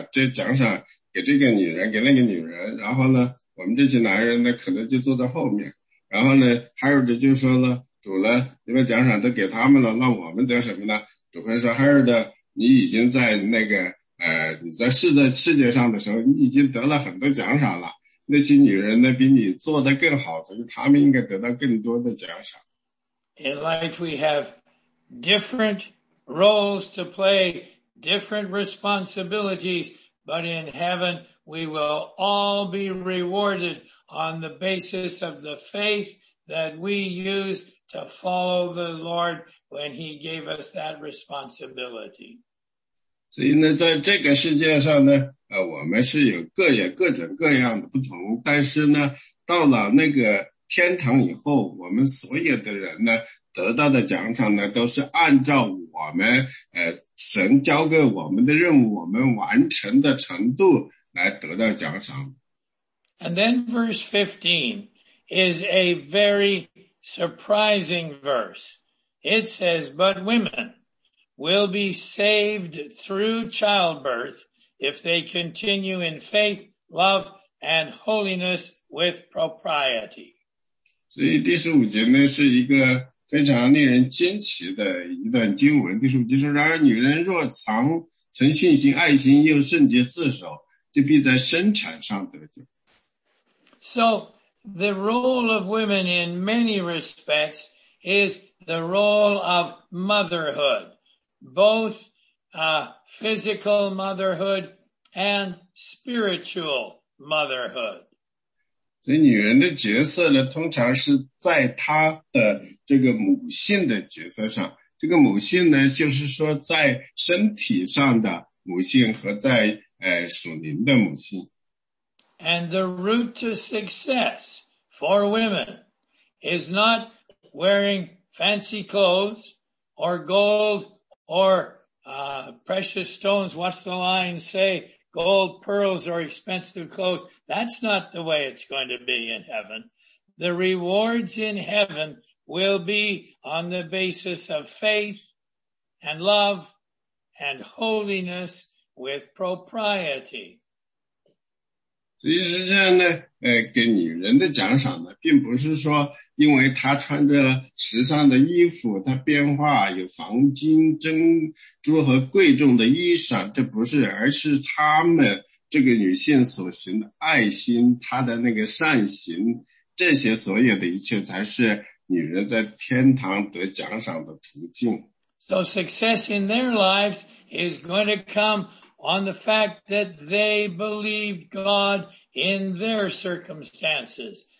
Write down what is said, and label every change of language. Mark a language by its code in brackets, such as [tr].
[zh] 所以我就在想呢,我到天上去呢,到了天堂以后,主会把这奖赏给这个女人,给那个女人,然后呢, 我们这些男人呢,可能就坐在后面。然后呢,Harold就说了,主了,因为奖赏都给他们了,那我们得什么呢?主会说,Harold,你已经在那个,你在世界上的时候,你已经得了很多奖赏了。那些女人呢,比你做得更好,所以他们应该得到更多的奖赏。 [en] In life we have different roles to play, different responsibilities, but in heaven, we will all be rewarded on the basis of the faith that we use to follow the Lord when he gave us that responsibility. [zh] 所以呢, 在这个世界上呢, 我们是有各种各样的不同, 但是呢, 到了那个天堂以后, 我们所有的人呢, 得到的奖赏呢, 都是按照我们, 神交给我们的任务, 我们完成的程度, 来得到奖赏。 [en] And then verse 15 is a very surprising verse. It says, but women will be saved through childbirth if they continue in faith, love, and holiness with propriety. [zh] 所以第十五节呢是一个非常令人惊奇的一段经文。第十五节说，然而女人若藏存信心、爱心又圣洁自守，就必在生产上得救。 [en] So, the role of women in many respects is the role of motherhood, both physical motherhood and spiritual motherhood. [zh] 所以女人的角色呢，通常是在她的这个母性的角色上。这个母性呢，就是说在身体上的母性和在属灵的母性。 [en] And the route to success for women is not wearing fancy clothes or gold or precious stones. What's the line say? Gold, pearls, or expensive clothes. That's not the way it's going to be in heaven. The rewards in heaven will be on the basis of faith and love and holiness with propriety. [zh] 所以实际上呢，给女人的奖赏呢，并不是说因为她穿着时尚的衣服，她变化有黄金、珍珠和贵重的衣裳，这不是，而是她们这个女性所行的爱心，她的那个善行，这些所有的一切才是女人在天堂得奖赏的途径。 [en] So success in their lives is going to come. On the fact that they believed God in their circumstances.